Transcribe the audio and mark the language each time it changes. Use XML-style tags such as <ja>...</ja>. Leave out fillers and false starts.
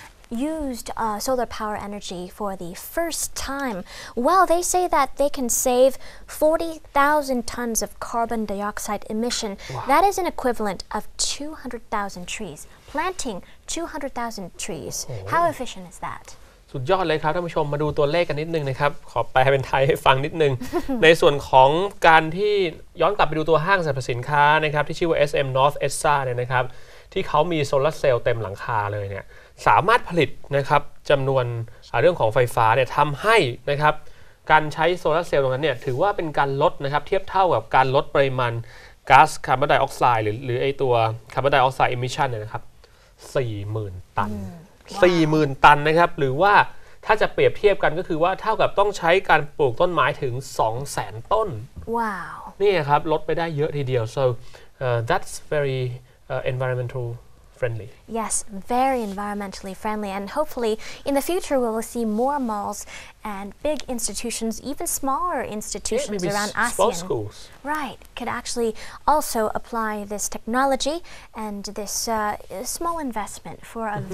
<en>used solar power energy for the first time. Well, they say that they can save 40,000 tons of carbon dioxide emission. Wow. That is an equivalent of 200,000 trees. Planting 200,000 trees. Oh. How efficient is that?</en> <th>สุดยอดเลยครับท่านผู้ชมมาดูตัวเลขกันนิดนึงนะครับขอแปลเป็นไทยให้ฟังนิดนึง ในส่วนของการที่ย้อนกลับไปดูตัวห้างสรรพสินค้านะครับที่ชื่อว่า SM North Essa เนี่ยนะครับที่เขามีโซลาร์เซลล์เต็มหลังคาเลยเนี่ยสามารถผลิตนะครับจำนวนเรื่องของไฟฟ้าเนี่ยทำให้นะครับการใช้โซลาร์เซลล์ตรงนั้นเนี่ยถือว่าเป็นการลดนะครับเทียบเท่ากับการลดปริมาณ ก๊าซคาร์บอนไดออกไซด์หรือไอตัวคาร์บอนไดออกไซด์เอมิชชันเนี่ยนะครับ 40,000 ตัน 40,000 ตันนะครับหรือว่าถ้าจะเปรียบเทียบกันก็คือว่าเท่ากับต้องใช้การปลูกต้นไม้ถึง 200,000 ต้น ว้าว นี่ครับลดไปได้เยอะทีเดียว</th> <en>so that's very environmental friendly yes very environmentally friendly and hopefully in the future we will see more malls and big institutions even smaller institutions around ASEAN small schools right could actually also apply this technology and this small investment for a mm-hmm.</en>